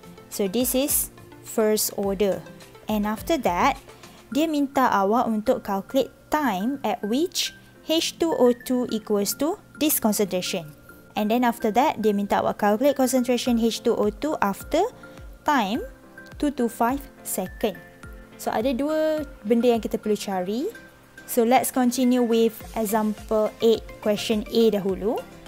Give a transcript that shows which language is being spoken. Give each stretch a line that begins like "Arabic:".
English: So this is first order. And after that,
Malay: dia minta awak untuk
English: calculate time at which H2O2 equals to this concentration. And then after that,
Malay: dia minta awak
English: calculate concentration H2O2 after time 225 second.
Malay: So ada dua benda yang kita perlu cari.
English: So let's continue with example 8, question A dahulu.